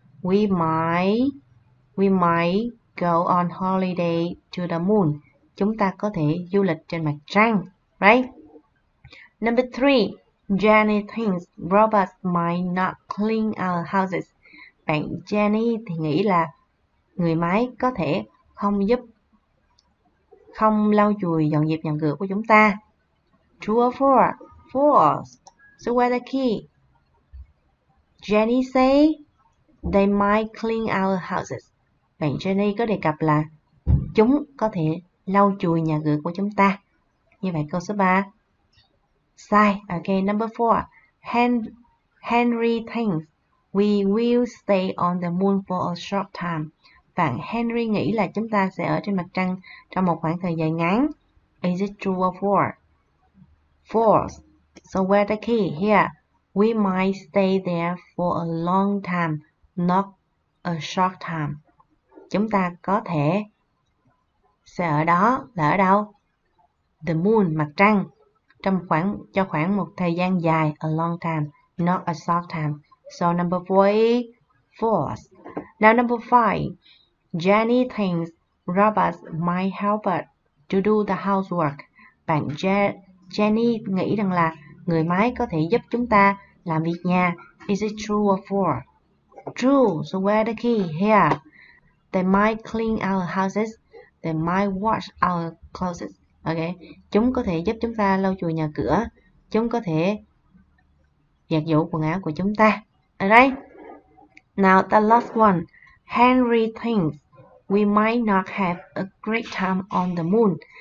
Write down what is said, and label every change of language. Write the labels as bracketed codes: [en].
[en] We might go on holiday to the moon. [vi] Chúng ta có thể du lịch trên mặt trăng. [en] Right? Number 3. Jenny thinks robots might not clean our houses. [vi] Bạn Jenny thì nghĩ là người máy có thể không lau chùi dọn dẹp nhà cửa của chúng ta. [en] True or false? False. So where the key? Jenny say they might clean our houses. [vi] Bạn Jenny có đề cập là chúng có thể lau chùi nhà cửa của chúng ta. Như vậy câu số 3. Sai. [en] Okay, number 4. Henry thinks we will stay on the moon for a short time. [vi] Bạn Henry nghĩ là chúng ta sẽ ở trên mặt trăng trong một khoảng thời gian ngắn. [en] Is it true or false? False. So where the key here? We might stay there for a long time, not a short time. [vi] Chúng ta có thể sẽ ở đó, là ở đâu? [en] The moon, [vi] mặt trăng. Cho khoảng một thời gian dài, [en] a long time, not a short time. So number 4 is false. Now number 5. Jenny thinks robots might help us to do the housework. [vi] Bạn Jenny nghĩ rằng là người máy có thể giúp chúng ta làm việc nhà. [en] Is it true or false? True. So where the key here? They might clean our houses. They might wash our clothes. Okay. [vi] Chúng có thể giúp chúng ta lau chùi nhà cửa. Chúng có thể giặt giũ quần áo của chúng ta. [en] Alright. Now the last one. Henry thinks We might not have a great time on the moon.